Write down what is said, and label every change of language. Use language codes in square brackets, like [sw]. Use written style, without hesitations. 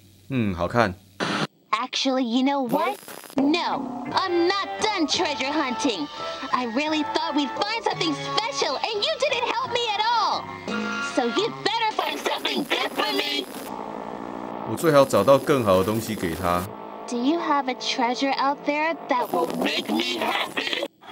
[zh] 嗯，好看。 [en] Actually, you know what? No, I'm not done treasure hunting. I really thought we'd find something special, and you didn't help me at all. So you'd better find something good for me. [zh] 我最好找到更好的东西给他。 [en] Do you have a treasure out there that will make me happy?